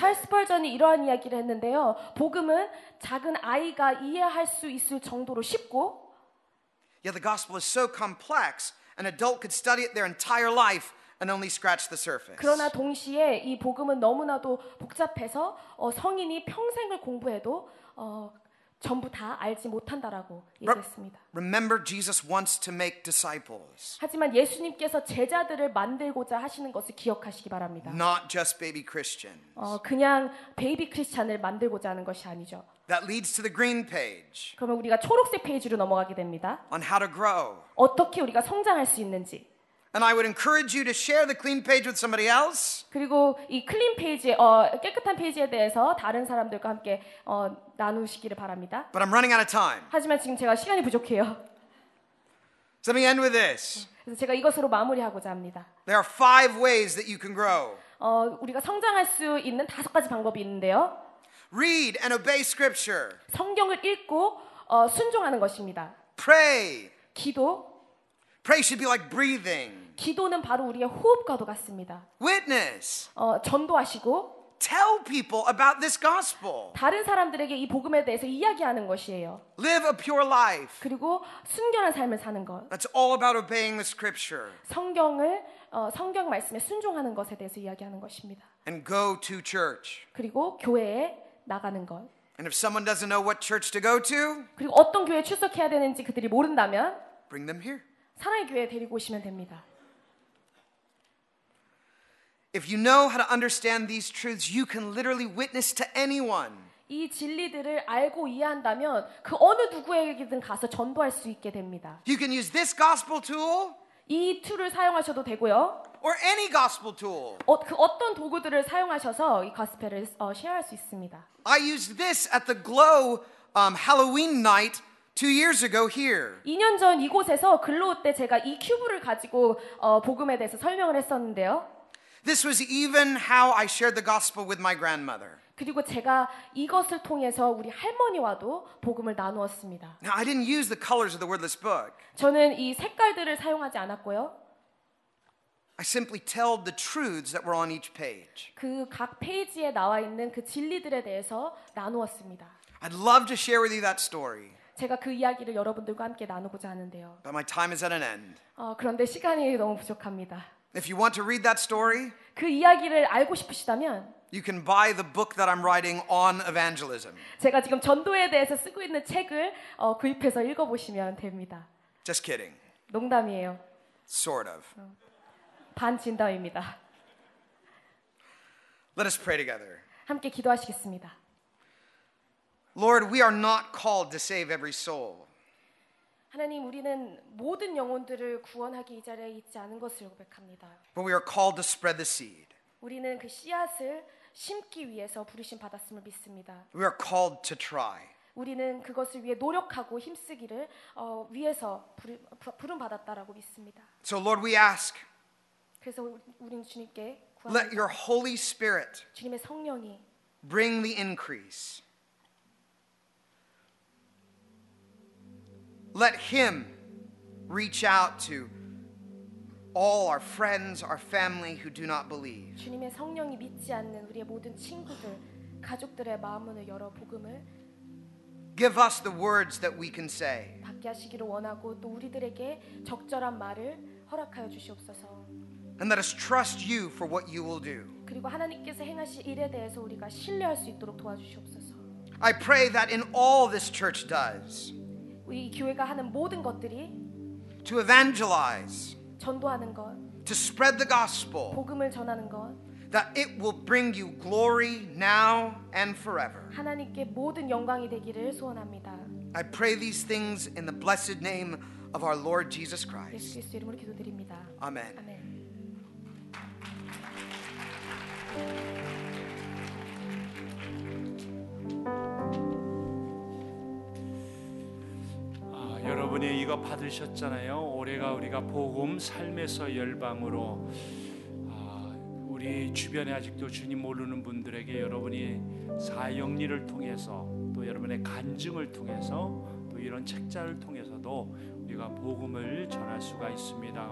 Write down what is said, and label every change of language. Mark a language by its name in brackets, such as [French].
[Korean] 찰스 스펄전이 이러한 이야기를 했는데요. 복음은 작은 아이가 이해할 수 있을 정도로 쉽고. [English] Yeah, the gospel is so complex an adult could study it their entire life and only scratch the surface. [Korean] 그러나 동시에 이 복음은 너무나도 복잡해서 성인이 평생을 공부해도 전부 다 알지 못한다라고 얘기했습니다. [English] Remember Jesus wants to make disciples. [Korean] 하지만 예수님께서 제자들을 만들고자 하시는 것을 기억하시기 바랍니다. [English] Not just baby Christians. [Korean] 그냥 베이비 크리스찬을 만들고자 하는 것이 아니죠. [English] That leads to the green page. [Korean] 그러면 우리가 초록색 페이지로 넘어가게 됩니다. [English] On how to grow. [Korean] 어떻게 우리가 성장할 수 있는지. [English] And I would encourage you to share the clean page with somebody else. [Korean] 그리고 이 클린 페이지 깨끗한 페이지에 대해서 다른 사람들과 함께 나누시기를 바랍니다. [English] But I'm running out of time. [Korean] 하지만 지금 제가 시간이 부족해요. [English] So let me end with this. [Korean] 그래서 제가 이것으로 마무리하고자 합니다. [English] There are five ways that you can grow. [Korean] 우리가 성장할 수 있는 다섯 가지 방법이 있는데요. [English] Read and obey scripture. [Korean] 성경을 읽고 순종하는 것입니다. [English] Pray. [Korean] 기도. [English] Pray should be like breathing. [Korean] 기도는 바로 우리의 호흡과도 같습니다. [English] Witness. [Korean] 전도하시고. [English] Tell people about this gospel. [Korean] 다른 사람들에게 이 복음에 대해서 이야기하는 것이에요. [English] Live a pure life. [Korean] 그리고 순결한 삶을 사는 것. [English] That's all about obeying the scripture. [Korean] 성경 말씀에 순종하는 것에 대해서 이야기하는 것입니다. [English] And go to church. [Korean] 그리고 교회에 나가는 것. [English] And if someone doesn't know what church to go to, [Korean] 그리고 어떤 교회에 출석해야 되는지 그들이 모른다면, [English] bring them here. [Korean] 사랑의 교회에 데리고 오시면 됩니다. [English] If you know how to understand these truths, you can literally witness to anyone. [Korean] 이 진리들을 알고 이해한다면 그 어느 누구에게든 가서 전도할 수 있게 됩니다. [English] You can use this gospel tool. [Korean] 이 툴을 사용하셔도 되고요. [English] Or any gospel tool. [Korean] 그 어떤 도구들을 사용하셔서 이 가스펠을 쉐어할 수 있습니다. [English] I used this at the Glow Halloween night. 2 years ago here. [Korean] 2년 전 이곳에서 글로우 때 제가 이 큐브를 가지고 복음에 대해서 설명을 했었는데요. [English] This was even how I shared the gospel with my grandmother. [Korean] 그리고 제가 이것을 통해서 우리 할머니와도 복음을 나누었습니다. [English] Now, I didn't use the colors of the wordless book. [Korean] 저는 이 색깔들을 사용하지 않았고요. [English] I simply told the truths that were on each page. [Korean] 그 각 페이지에 나와 있는 그 진리들에 대해서 나누었습니다. [English] I'd love to share with you that story. [Korean] 제가 그 이야기를 여러분들과 함께 나누고자 하는데요. [English] But my time is at an end. [Korean] 그런데 시간이 너무 부족합니다. [English] If you want to read that story, [Korean] 그 이야기를 알고 싶으시다면 [English] you can buy the book that I'm writing on evangelism. [Korean] 제가 지금 전도에 대해서 쓰고 있는 책을 구입해서 읽어 보시면 됩니다. [English] Just kidding. [Korean] 농담이에요. [English] Sort of. [Korean] 반 진담입니다. [English] Let us pray together. [Korean] 함께 기도하시겠습니다. [English] Lord, we are not called to save every soul. [Korean] 하나님, 우리는 모든 영혼들을 구원하기 이 자리에 있지 않은 것을 고백합니다. [English] But we are called to spread the seed. [Korean] 우리는 그 씨앗을 심기 위해서 부르심 받았음을 믿습니다. [English] We are called to try. [Korean] 우리는 그것을 위해 노력하고 힘쓰기를 위해서 부름 받았다라고 믿습니다. [English] So Lord, we ask. [Korean] 그래서 우리는 주님께 구합니다. [English] Let your Holy Spirit [Korean] 주님의 성령이 [English] bring the increase. Let him reach out to all our friends, our family who do not believe. [Korean] 주님의 성령이 믿지 않는 우리의 모든 친구들, 가족들의 마음을 열어 복음을 [English] Give us the words that we can say. [Korean] 받게 하시기를 원하고 또 우리들에게 적절한 말을 허락하여 주시옵소서. [English] And let us trust you for what you will do. [Korean] 그리고 하나님께서 행하실 일에 대해서 우리가 신뢰할 수 있도록 도와주시옵소서. [English] I pray that in all this church does. [Korean] 이 교회가 하는 모든 것들이 [English] to evangelize [Korean] 전도하는 것 [English] to spread the gospel [Korean] 복음을 전하는 것 [English] that it will bring you glory now and forever [Korean] 하나님께 모든 영광이 되기를 소원합니다. [English] I pray these things in the blessed name of our Lord Jesus Christ. [Korean] 예수 그리스도 이름으로 기도드립니다. 아멘. 아멘. Everyone, 이거 받으셨잖아요. 올해가 우리가 복음 삶에서 열방으로 우리 주변에 아직도 주님 모르는 분들에게 여러분이 사역리를 통해서 또 여러분의 간증을 통해서 또 이런 책자를 통해서도 우리가 복음을 전할 수가 있습니다.